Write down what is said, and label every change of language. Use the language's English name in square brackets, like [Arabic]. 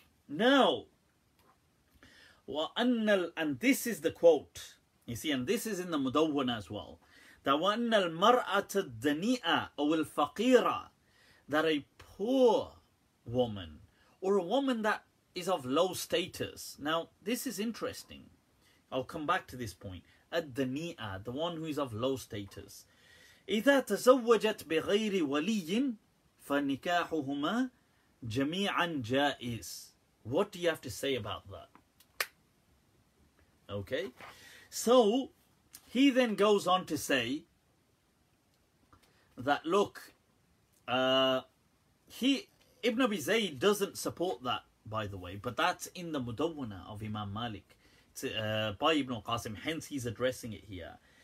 [English] Now, and this is the quote, you see, and this is in the Mudawwana as well. that وأن المرأة الدنيئة أو الفقيرة, that a poor woman or a woman that is of low status. Now, this is interesting. I'll come back to this point. الدنيئة, the one who is of low status. [Arabic] إذا تزوجت بغير ولي فنكاحهما جميعا جائز. [English] What do you have to say about that? Okay. So, he then goes on to say that, look, he Ibn Abi Zayd doesn't support that, by the way, but that's in the Mudawwana of Imam Malik by Ibn Qasim, hence he's addressing it here.